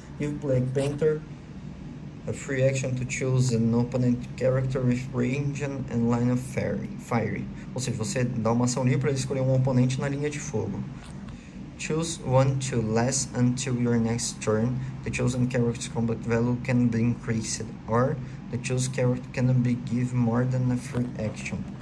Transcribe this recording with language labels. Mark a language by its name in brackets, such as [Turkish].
[English] E o Black Panther, a free action to choose an opponent character with range and line of fire. [Portuguese] Ou seja, você dá uma ação livre para escolher um oponente na linha de fogo. [English] Choose one to last until your next turn. The chosen character's combat value can be increased, or the chosen character cannot be given more than a free action.